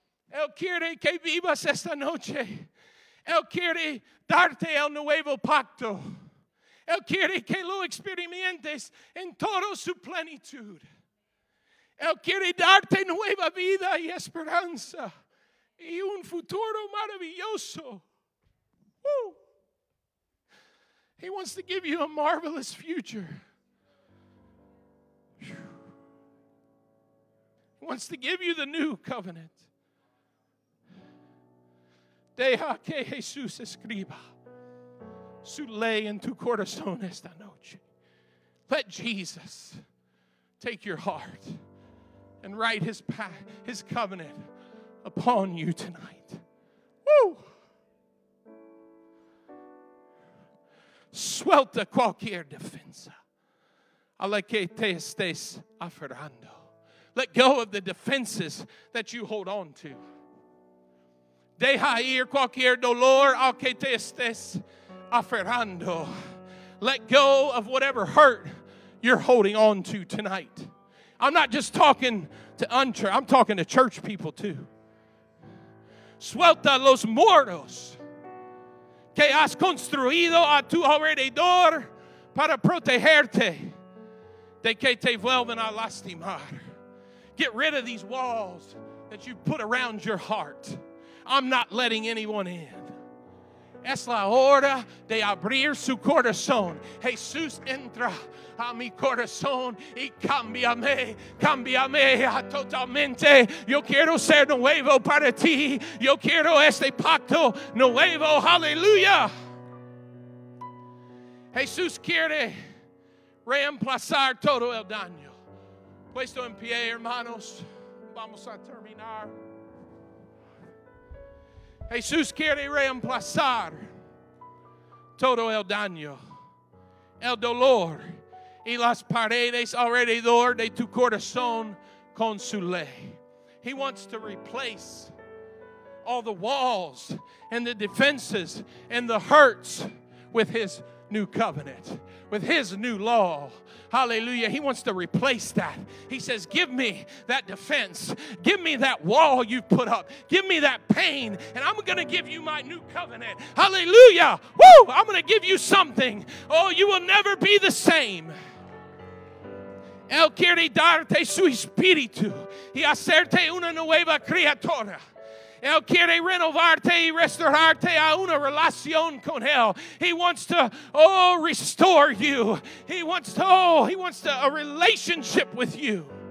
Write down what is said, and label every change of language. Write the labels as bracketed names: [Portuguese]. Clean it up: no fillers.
[Spanish] Él quiere que vivas esta noche. Él quiere darte el nuevo pacto. Él quiere que lo experimentes en toda su plenitud. Él quiere darte nueva vida y esperanza y un futuro maravilloso. Woo. [English] He wants to give you a marvelous future. He wants to give you the new covenant. [Spanish] Deja que Jesús escriba su ley en tu corazón esta noche. [English] Let Jesus take your heart and write his covenant upon you tonight. Woo! [Spanish] suelta cualquier defensa. A la que te estés aferrando. [English] Let go of the defenses that you hold on to. [Spanish] Deja ir cualquier dolor al que te estés aferrando. [English] Let go of whatever hurt you're holding on to tonight. I'm not just talking to unchurch, I'm talking to church people too. [Spanish] Suelta los muros que has construido a tu alrededor para protegerte de que te vuelven a lastimar. [English] Get rid of these walls that you put around your heart. I'm not letting anyone in. [Spanish] Es la hora de abrir su corazón. Jesús entra a mi corazón y cámbiame, cámbiame totalmente. Yo quiero ser nuevo para ti. Yo quiero este pacto nuevo. Hallelujah. Jesús quiere reemplazar todo el daño. Puesto en pie, hermanos. Vamos a terminar. Jesús quiere reemplazar todo el daño, el dolor y las paredes alrededor de tu corazón con su ley. [English] He wants to replace all the walls and the defenses and the hurts with his new covenant, with his new law. Hallelujah. He wants to replace that. He says, give me that defense. Give me that wall you've put up. Give me that pain, and I'm going to give you my new covenant. Hallelujah. Woo! I'm going to give you something. Oh, you will never be the same. [Spanish] Él quiere darte su espíritu y hacerte una nueva criatura. Él quiere renovarte y restaurarte a una relación con Él. [English] He wants to, oh, restore you. He wants to, oh, he wants to, a relationship with you.